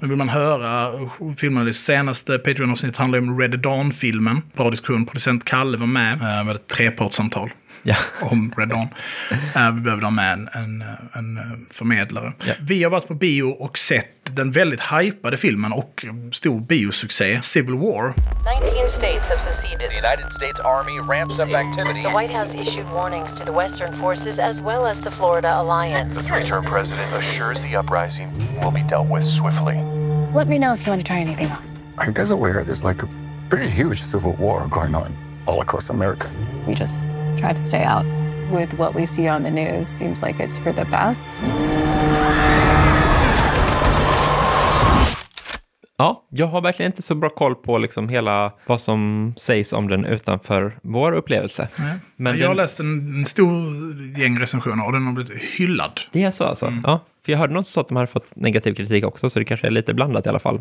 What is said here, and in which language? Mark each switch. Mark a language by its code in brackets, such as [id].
[sv] Nu vill man höra filmanalys. Senaste Patreon-avsnitt handlar om Red Dawn-filmen. Bra diskussion. Producent Kalle var med. Med ett trepartssamtal. Ja. Om Red Dawn. Vi behöver ha med en förmedlare. Ja. Vi har varit på bio och sett den väldigt hypade filmen och stor biosuccé, Civil War. [en] 19 states have seceded. The United States Army ramps up activity. The White House issued warnings to the Western forces as well as the Florida Alliance. The three-term president assures the uprising will be dealt with swiftly. Let me know if you want to try anything on. Are you guys aware there's like a pretty huge civil war going on all across America? We just try to stay out. With what we see on the news, seems like it's for the best. [sv] Ja, jag har verkligen inte så bra koll på liksom hela vad som sägs om den utanför vår upplevelse. Nej. Men jag har läst en stor gäng recensioner och den har blivit hyllad. Det är så alltså, mm. Ja. För jag hörde något så att de har fått negativ kritik också, så det kanske är lite blandat i alla fall.